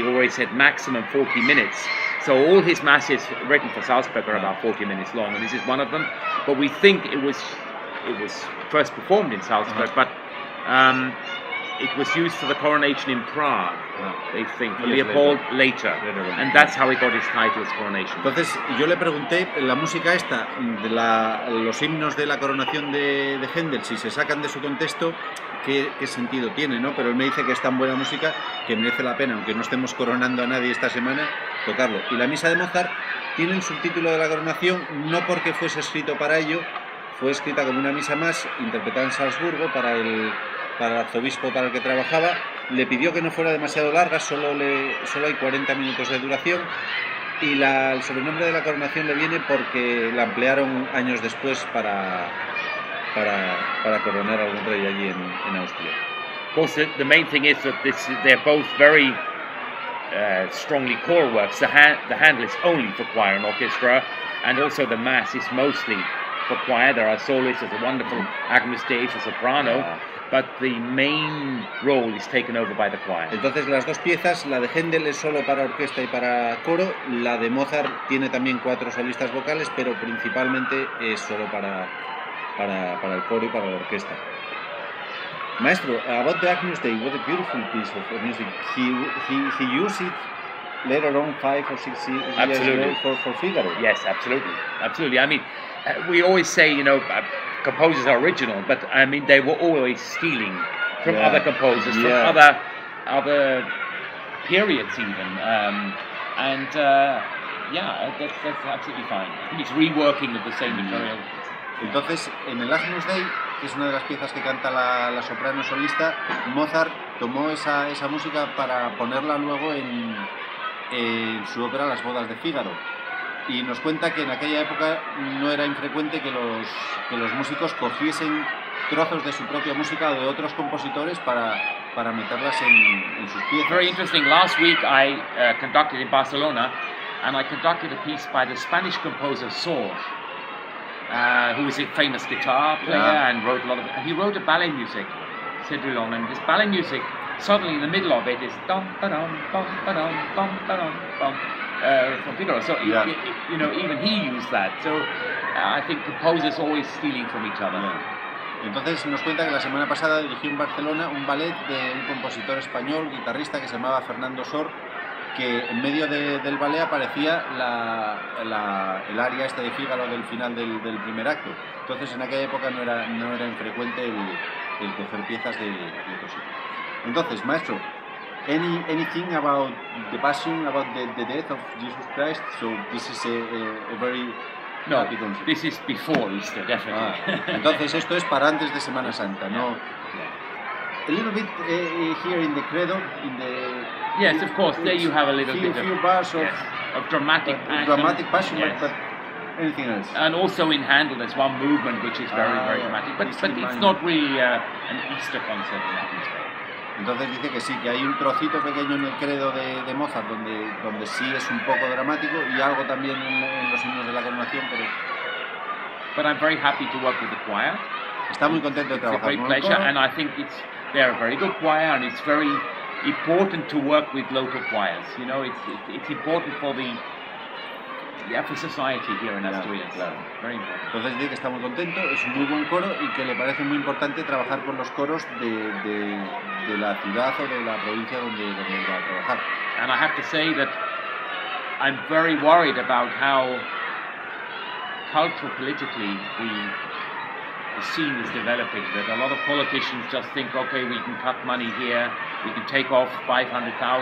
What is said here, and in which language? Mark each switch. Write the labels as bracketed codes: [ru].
[en] He always said maximum 40 minutes. So all his masses written for Salzburg are about 40 minutes long, and this is one of them. But we think it was first performed in Salzburg, but it was used for the coronation in Prague, they think, for Leopold later. And that's how he got his title as coronation. [es] Entonces yo le pregunté, la música esta, los himnos de la coronación de Händel, si se sacan de su contexto, ¿qué sentido tiene, no? Pero él me dice que es tan buena música que merece la pena, aunque no estemos coronando a nadie esta semana, tocarlo. Y la misa de Mozart tiene el subtítulo de la coronación, no porque fuese escrito para ello, fue escrita como una misa más, interpretada en Salzburgo para el arzobispo para el que trabajaba. Le pidió que no fuera demasiado larga, solo hay 40 minutos de duración, y el sobrenombre de la coronación le viene porque la emplearon años después para coronar a algún rey allí en Austria. [en] Of course, the main thing is that they're both very strongly choral works. The Handel is only for choir and orchestra, and also the Mass is mostly for choir. There are soloists, there's a wonderful Agnus Dei for soprano, but the main role is taken over by the choir. [es] Entonces las dos piezas, la de Handel es solo para orquesta y para coro, la de Mozart tiene también cuatro solistas vocales, pero principalmente es solo para el coro y para la orquesta. [en] Maestro, about the Agnus Dei, what a beautiful piece of music. He used it later on, 5 or 6 years absolutely. Ago, for Figaro. Yes, absolutely. Absolutely. I mean, we always say, you know, composers are original, but I mean, they were always stealing from other composers, from other periods even. That's absolutely fine. I think it's reworking of the same material. [es] Entonces, en el Agnus Dei, que es una de las piezas que canta la soprano solista, Mozart tomó esa música para ponerla luego en su ópera Las Bodas de Fígaro. Y nos cuenta que en aquella época no era infrecuente que los músicos cogiesen trozos de su propia música o de otros compositores para meterlas en sus piezas. [en] Very interesting. Last week I conducted in Barcelona, and I conducted a piece by the Spanish composer Sor. Who is a famous guitar player and wrote a lot of it. He wrote a ballet music, Cédrillon, and this ballet music, suddenly in the middle of it is dum ba dum bum ba dum bum ba dum bum from Figaro. So, you know, even he used that. So, I think composers always stealing from each other. [es] Entonces nos cuenta que la semana pasada dirigió en Barcelona un ballet de un compositor español, guitarrista, que se llamaba Fernando Sor, que en medio del ballet aparecía el aria esta de Fígaro del final del primer acto. Entonces en aquella época no era infrecuente el coger piezas de otros sitios. [en] Entonces, maestro, anything about the passion, about the death of Jesus Christ? So this is a very happy concert. No, this is before Easter, definitely. [es] Entonces esto es para antes de Semana Santa, ¿no? [en] A little bit here in the credo, in the... Yes, of course, there you have a little bit of... few bars of... Of dramatic passion. Dramatic passion, yes. But anything else. And also in Handel, there's one movement which is very, very dramatic. But it's not really an Easter concert. [es] Entonces dice que sí, que hay un trocito pequeño en el credo de Mozart donde sí es un poco dramático y algo también en los himnos de la coronación, pero... [en] But I'm very happy to work with the choir. [es] Está muy contento de trabajar con el coro. [en] It's a great pleasure, and I think they are a very good choir, and it's very important to work with local choirs. You know, it's important for the society here in Asturias. [es] Claro, claro. [en] Very important. [es] Entonces dice que está muy contento, es un muy buen coro y que le parece muy importante trabajar con los coros de la ciudad o de la provincia donde va a trabajar. [en] And I have to say that I'm very worried about how cultural politically the scene is developing, that a lot of politicians just think, okay, we can cut money here, we can take off 500,000.